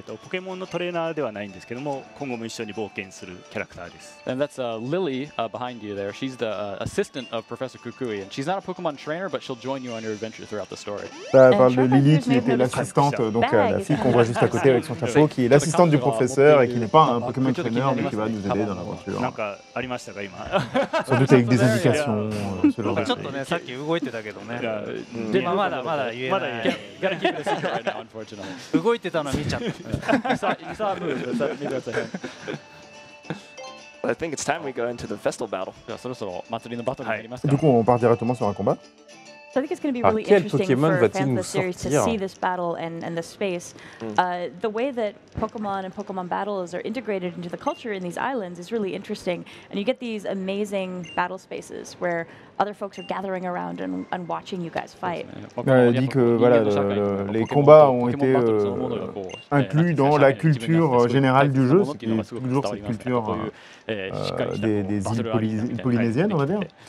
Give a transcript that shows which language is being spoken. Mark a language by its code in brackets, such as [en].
[ja] ポケモンのトレーナーではないんですけども、今後も一緒に冒険するキャラクターです。 [en] And that's Lily behind you there. She's the assistant of Professor Kukui, and she's not a Pokemon trainer, but she'll join you on your adventure throughout the story. [fr] Parle de Lily qui était l'assistante, donc la fille qu'on voit juste à côté avec son chapeau, qui est l'assistante du professeur et qui n'est pas un Pokémon trainer, mais qui va nous aider dans l'aventure. [ja] なんかありましたか今。 [fr] Sans doute avec des indications. [ja] ちょっとねさっき動いてたけどね。でもまだ言えない。まだ言えない。 [en] Gotta keep this secret right now, unfortunately. [ja] 動いてたの見ちゃった。 [en] You saw a move. Saw, [ja] 見てください。 [en] I think it's time we go into the festival battle. [ja] じゃあそろそろ祭りのバトルになります [fr] か。Du coup, on part directement sur un combat. [en] So I think it's going to be really interesting for fans of the series to see this battle and the space. The way that Pokemon and Pokemon battles are integrated into the culture in these islands is really interesting. And you get these amazing battle spaces where other folks are gathering around and watching you guys fight. [fr] Il dit que voilà, les combats ont été inclus dans la culture générale du jeu, c'est toujours cette culture des îles polynésiennes, on va dire.